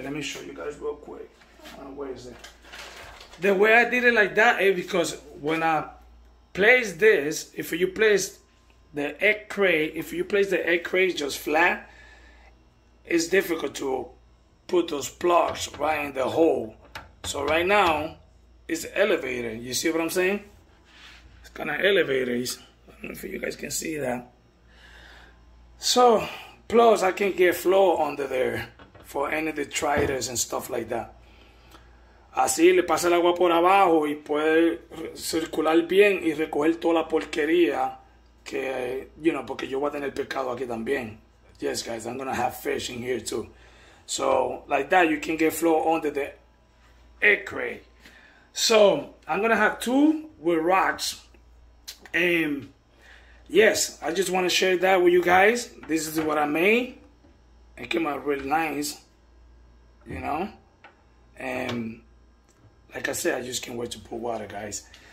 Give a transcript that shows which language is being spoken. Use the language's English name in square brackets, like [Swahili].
[English] Let me show you guys real quick. Where is it? The way I did it like that is because when I place this, if you place the egg crate just flat, it's difficult to put those plugs right in the hole. So right now, it's elevated. You see what I'm saying? It's kind of elevated. I don't know if you guys can see that. So, plus I can get flow under there for any detritus and stuff like that. [Spanish] Así le pasa el agua por abajo y puede circular bien y recoger toda la porquería que, porque yo voy a tener pescado aquí también. [English] Yes, guys, I'm gonna have fish in here too. So, like that, you can get flow under the egg crate. So, I'm gonna have two with rocks. And yes, I just wanna share that with you guys. This is what I made. It came out really nice, And like I said, I just can't wait to put water, guys.